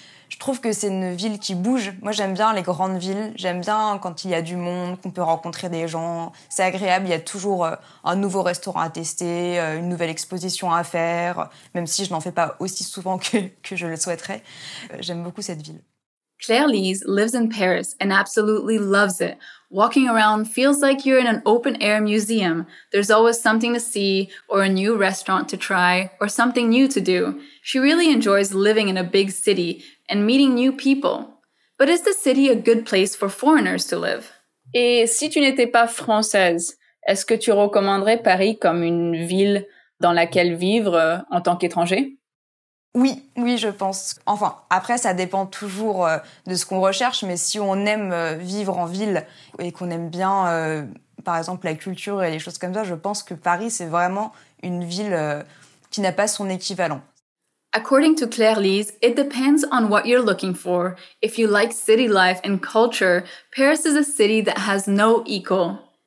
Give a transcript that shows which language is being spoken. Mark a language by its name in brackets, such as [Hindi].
[French] Je trouve que c'est une ville qui bouge. Moi, j'aime bien les grandes villes. J'aime bien quand il y a du monde, qu'on peut rencontrer des gens. C'est agréable. Il y a toujours un nouveau restaurant à tester, une nouvelle exposition à faire, même si je n'en fais pas aussi souvent que je le souhaiterais. J'aime beaucoup cette ville. [English] Claire-Lise lives in Paris and absolutely loves it. Walking around feels like you're in an open-air museum. There's always something to see, or a new restaurant to try, or something new to do. She really enjoys living in a big city and meeting new people. But is the city a good place for foreigners to live? [French] Et si tu n'étais pas française, est-ce que tu recommanderais Paris comme une ville dans laquelle vivre en tant qu'étranger? Oui, oui, je pense. Enfin, après, ça dépend toujours de ce qu'on recherche, mais si on aime vivre en ville et qu'on aime bien, par exemple, la culture et les choses comme ça, je pense que Paris, c'est vraiment une ville qui n'a pas son équivalent. [English] According to Claire-Lise, it depends on what you're looking for. If you like city life and culture, Paris is a city that has no equal.